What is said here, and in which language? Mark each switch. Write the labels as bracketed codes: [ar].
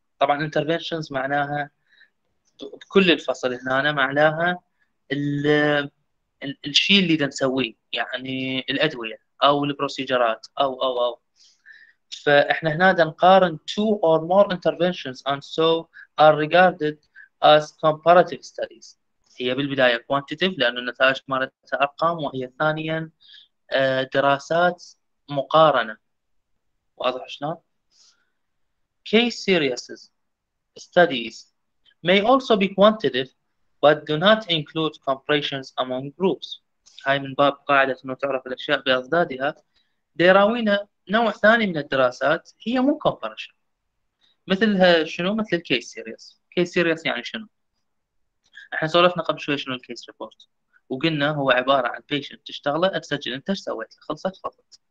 [ar] طبعا interventions معناها بكل الفصل هنا أنا معناها الشيء اللي دا نسويه، يعني الأدوية أو البروسيجرات أو. فإحنا هنا دا نقارن [en] two or more interventions and so are regarded as comparative studies. [ar] هي بالبداية quantitative لأن النتائج مالتها أرقام، وهي ثانيا دراسات مقارنة. واضح شلون؟ [en] Case series studies may also be quantitative but do not include comparisons among groups. [ar] هاي من باب قاعدة انه تعرف الأشياء بأضدادها. دراوينا نوع ثاني من الدراسات هي مو comparison. مثلها شنو؟ مثل الكيس سيريس. كيس سيريس يعني شنو؟ احنا سولفنا قبل شوي شنو الكيس ريبورت، وقلنا هو عبارة عن patient تشتغله تسجل انت ايش سويت، خلصت فقط.